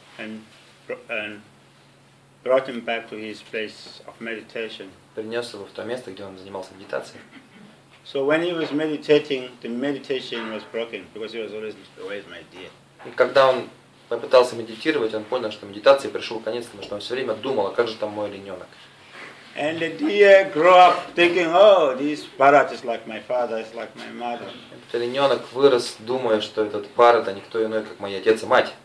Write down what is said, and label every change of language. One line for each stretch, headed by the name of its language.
English: And brought him back to his place of meditation.
Russian: Принес его в то место, где он занимался медитацией.
English: So when he was meditating, the meditation was broken because he was always my dear.
Russian: И когда он попытался медитировать, он понял, что медитации пришел конец, потому что он все время думал, а как же там мой олененок.
English: And the deer grew up thinking, oh, this Bharat is like my father, is like my mother.
Russian: Этот олененок вырос, думая, что этот Bharat, а никто иной, как мой отец и мать.